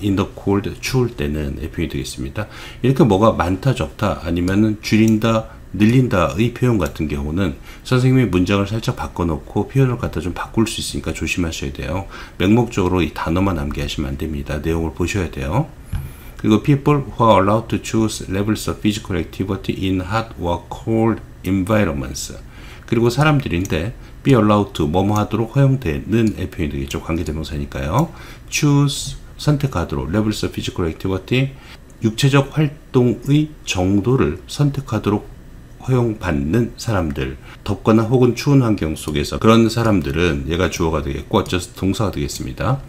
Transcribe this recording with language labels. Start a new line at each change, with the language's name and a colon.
English: in the cold,
Korean: 추울 때는, 표현이 되겠습니다. 이렇게 뭐가 많다 적다 아니면은 줄인다 늘린다의 표현 같은 경우는 선생님이 문장을 살짝 바꿔놓고 표현을 갖다 좀 바꿀 수 있으니까 조심하셔야 돼요. 맹목적으로 이 단어만 암기하시면 안 됩니다. 내용을 보셔야 돼요.
English: 그리고 people who are allowed to choose levels of physical activity in hot or cold environments,
Korean: 그리고 사람들인데
English: be allowed to,
Korean: 뭐뭐 하도록 허용되는 표현이 되겠죠. 관계대명사니까요. choose, 선택하도록,
English: levels of physical activity,
Korean: 육체적 활동의 정도를 선택하도록 허용받는 사람들, 덥거나 혹은 추운 환경 속에서 그런 사람들은, 얘가 주어가 되겠고 adjust 동사가 되겠습니다.